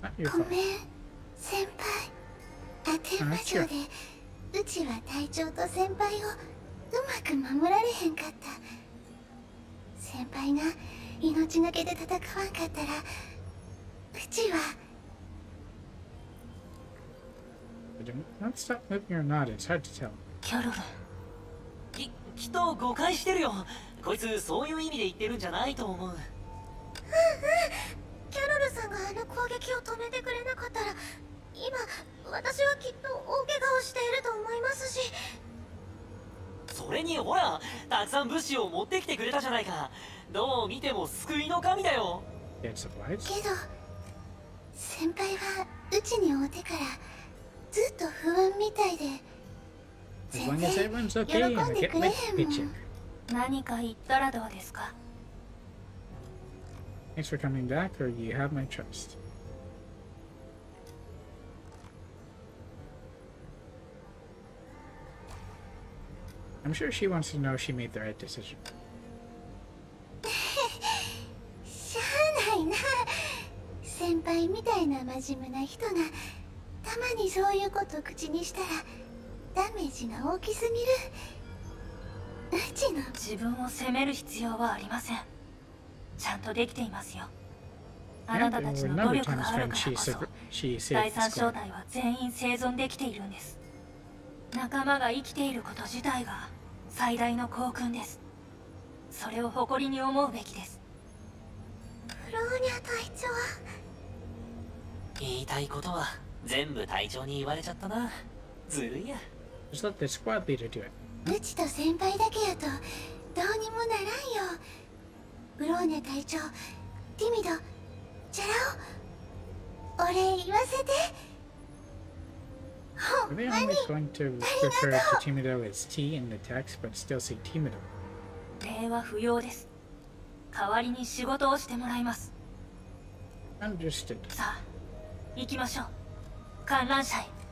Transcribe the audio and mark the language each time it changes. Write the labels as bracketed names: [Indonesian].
[Japanese] ごめん、先輩。アテンマ城で、うちは隊長と先輩をうまく守られへんかった。先輩が、命がけで戦わんかったら、うちは。 [English] Not stop moving or not, it's hard to tell. [Japanese] キャロル。きっと誤解してるよ。こいつ、そういう意味で言ってるんじゃないと思う。うんうん。キャロルさんがあの攻撃を止めてくれなかったら、今、私はきっと大怪我をしていると思いますし。それにほら、たくさん物資を持ってきてくれたじゃないか。どう見ても救いの神だよ。けど、先輩はうちにおいてからずっと不安みたいで全然喜んでくれへんもん。何か言ったらどうですか。 [English] Thanks for coming back, or you have my trust. I'm sure she wants to know she made the right decision. [Japanese] しゃーないな。先輩みたいな真面目な人がたまにそういうこと口にしたらダメージが大きすぎる。うちの自分を責める必要はありません。ちゃんとできていますよ。あなたたちの努力があるからこそ第三小隊は全員生存できているんです。仲間が生きていること自体が最大の幸運です。それを誇りに思うべきです。フローニャ隊長、言いたいことは全部隊長に言われちゃったな。ずるいや。 [English] Just let the squad leader do it. [Japanese] うちと先輩だけやとどうにもならんよ。ブローネ隊長、ティミド、ジャラオ、お礼言わせて。 [English] Are they always going to refer to Timido as T in the text, but still say Timido? [Japanese] 礼は不要です。代わりに仕事をしてもらいます。 [English] Understood. [Japanese] さあ、行きましょう。観覧車へ。